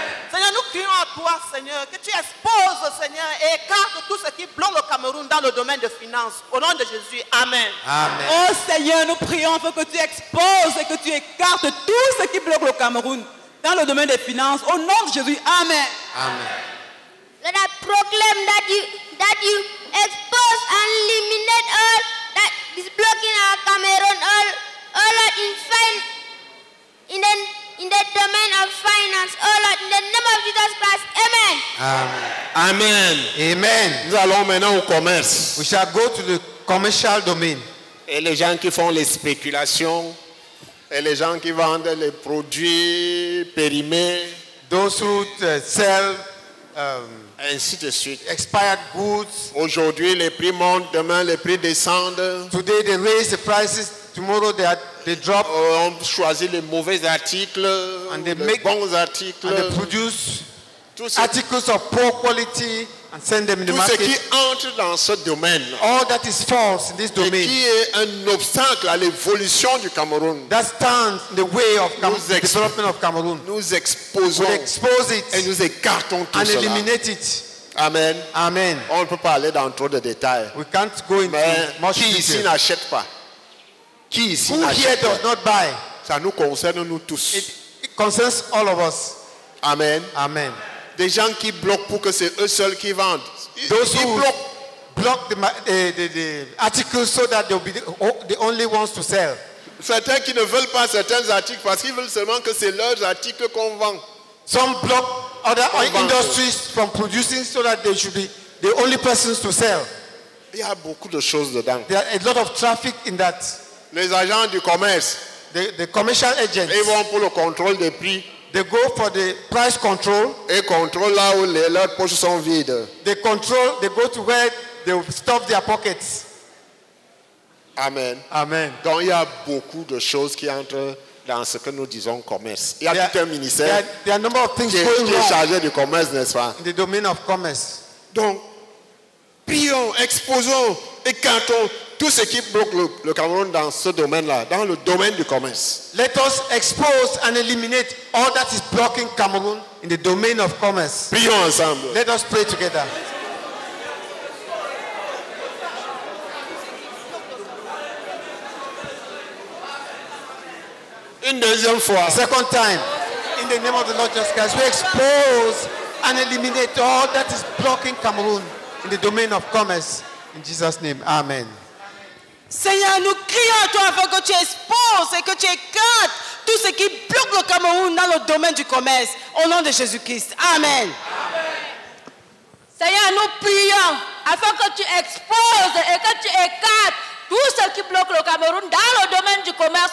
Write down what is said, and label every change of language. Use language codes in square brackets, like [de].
[fr] Seigneur, nous prions à toi, Seigneur, que tu exposes, Seigneur, et écarte tout ce qui bloque le Cameroun dans le domaine des finances, au nom de Jésus. Amen. Amen. Oh Seigneur, nous prions afin que tu exposes et que tu écartes tout ce qui bloque le Cameroun dans le domaine des finances, au nom de Jésus. Amen. Amen. [en] Lord, I proclaim that you expose and eliminate all that is blocking our Cameroon, all in the domain of finance, all in the name of Jesus Christ. Amen. Amen. Amen. Amen. [fr] Nous allons maintenant au commerce. [en] We shall go to the commercial domain. [fr] Et les gens qui font les spéculations. Et les gens qui vendent les produits périmés, [en] those who sell, [fr] ainsi de suite, [en] expired goods. [fr] Aujourd'hui, les prix montent, demain les prix descendent. [en] Today they raise the prices, tomorrow they drop. [fr] On choisit les mauvais articles, [en] and they [fr] les [en] make [fr] bons articles, [en] and they produce articles of poor quality and send them in the market. [fr] Tout ce qui entre dans ce domaine, [en] all that is false in this domain, [fr] qui est un obstacle à l'évolution du Cameroun, [en] that stands in the way of the development of Cameroon, [fr] nous exposons, [en] we expose it, [fr] et nous écartons tout [en] and [fr] cela, [en] eliminate it. Amen. Amen. [fr] On ne peut pas aller dans trop de détails. [en] We can't go into [fr] mais [en] much [fr] qui [en] detail. [fr] Ici n'achète pas? Qui ici [en] who [fr] n'achète [en] here [fr] pas? [en] Does not buy? [fr] Ça nous concerne nous tous. [en] It concerns all of us. Amen. Amen. [fr] Des gens qui bloquent pour que c'est eux seuls qui vendent. Ils bloquent [en] the articles so that they'll be the only ones to sell. [fr] Certains qui ne veulent pas certains articles parce qu'ils veulent seulement que c'est leurs articles qu'on vend. [en] Some block other industries from producing so that they should be the only persons to sell. [fr] Il y a beaucoup de choses dedans. [en] There are a lot of traffic in that. [fr] Les agents du commerce, [en] the commercial agents, [fr] ils vont pour le contrôle des prix. [en] They go for the price control. [fr] Et contrôlent là où leurs poches sont vides. [en] They control. They go to where they stuff their pockets. Amen. Amen. [fr] Donc il y a beaucoup de choses qui entrent dans ce que nous disons commerce. Il y a tout un ministère. [en] There are a number of things going on. [fr] Qui est chargé du commerce, n'est-ce pas? [en] In the domain of commerce. [fr] Donc prions, exposons, écartons tout ce qui bloque le Cameroun dans ce domaine-là, dans le domaine du commerce. [en] Let us expose and eliminate all that is blocking Cameroon in the domain of commerce. [fr] Prions ensemble. [en] Let us pray together. [fr] Une deuxième fois. [en] Second time. In the name of the Lord Jesus Christ, we expose and eliminate all that is blocking Cameroon in the domain of commerce. In Jesus' name, amen. [fr] Seigneur, nous crions à toi afin que tu exposes et que tu écartes tout ce qui bloque le Cameroun dans le domaine du commerce. Au nom de Jésus-Christ. Amen. Amen. Seigneur, nous prions afin que tu exposes et que tu écartes tout ce qui bloque le Cameroun dans le domaine du commerce.